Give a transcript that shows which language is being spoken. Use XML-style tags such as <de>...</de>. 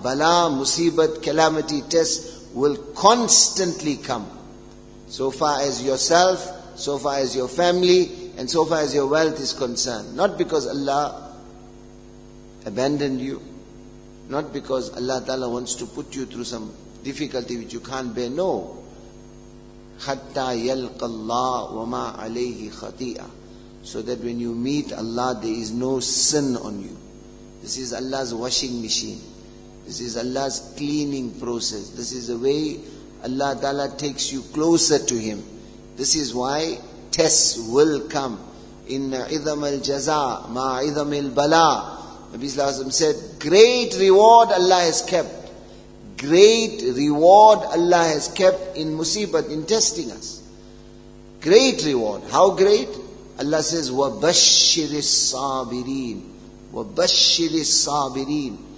<en>Bala, musibat, calamity, test will constantly come. So far as yourself, so far as your family, and so far as your wealth is concerned. Not because Allah abandoned you. Not because Allah Ta'ala wants to put you through some difficulty which you can't bear. No.</en> <ar>حتى يلقى الله وما عليه خطيئة.</ar> <en>So that when you meet Allah, there is no sin on you. This is Allah's washing machine. This is Allah's cleaning process. This is the way Allah Ta'ala takes you closer to Him. This is why tests will come.</en> <ar>Inna idham al jaza ma idham al bala.</ar> <en>Nabi Sallallahu Alaihi Wasallam said, great reward Allah has kept. Great reward Allah has kept in musibat, in testing us. Great reward. How great? Allah says,</en> <ar>وَبَشِّرِ الصَّابِرِينَ وَبَشِّرِ الصَّابِرِينَ.</ar>